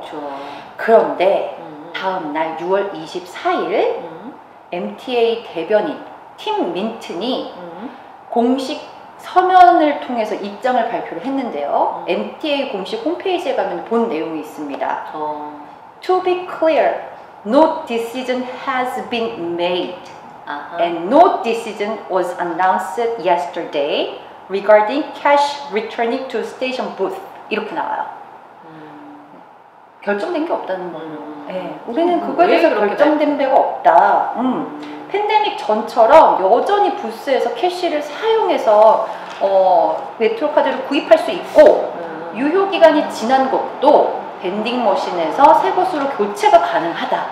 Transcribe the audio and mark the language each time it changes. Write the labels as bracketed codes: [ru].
[ko] 그렇죠. 그런데 다음 날 6월 24일 MTA 대변인 팀 민튼이 공식 서면을 통해서 입장을 발표를 했는데요. MTA 공식 홈페이지에 가면 본 내용이 있습니다. [en] To be clear, no decision has been made. And no decision was announced yesterday regarding cash returning to station booth. [ko] 이렇게 나와요. 결정된 게 없다는 거예요. 네. 우리는 그거에 대해서 결정된 바가 없다. 팬데믹 전처럼 여전히 부스에서 캐시를 사용해서 메트로 카드를 구입할 수 있고 유효기간이 지난 것도 밴딩 머신에서 새 것으로 교체가 가능하다.